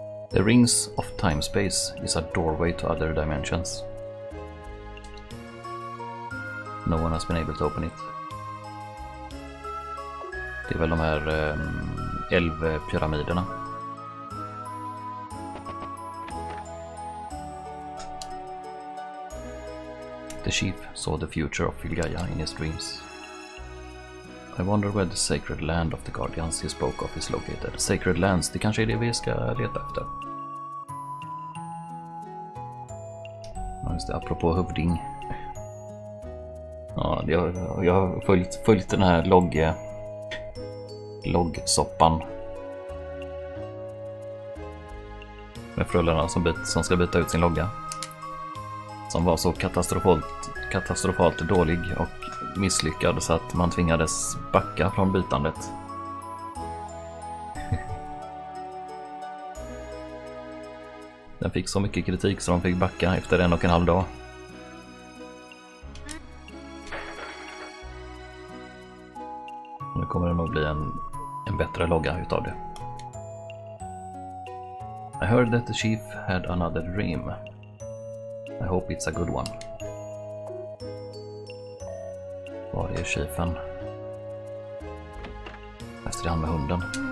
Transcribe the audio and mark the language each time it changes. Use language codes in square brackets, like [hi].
[en] The rings of time space is a doorway to other dimensions. No one has been able to open it. [sv] Det är väl de här elvpyramiderna. [en] The chief saw the future of Filgaia in his dreams. I wonder where the sacred land of the Guardians he spoke of is located. [sv] Sacred lands, det kanske är det vi ska leta efter. Ja, just det, apropå hövding. Ja, jag har följt den här loggsoppan. Med frullarna som ska byta ut sin logga. Som var så katastrofalt dålig och misslyckad så att man tvingades backa från bytandet. Den fick så mycket kritik så de fick backa efter en och en halv dag. Nu kommer det nog bli en bättre logga utav det. [en] I heard that the chief had another dream. I hope it's a good one. [sv] Var är chefen? Efter det han med hunden.